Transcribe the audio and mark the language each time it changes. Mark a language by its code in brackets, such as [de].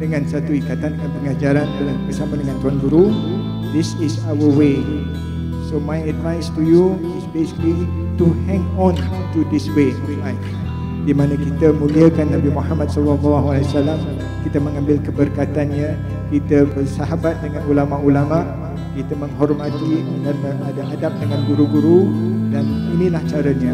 [ms] Satu ikatan dengan pengajaran dan bersama dengan Tuan Guru. [en] This is our way. So my advice to you is basically to hang on to this way of life. [ms] Di mana kita muliakan Nabi Muhammad SAW, kita mengambil keberkatannya, kita bersahabat dengan ulama-ulama, kita menghormati dan ada adab dengan guru-guru, dan inilah caranya.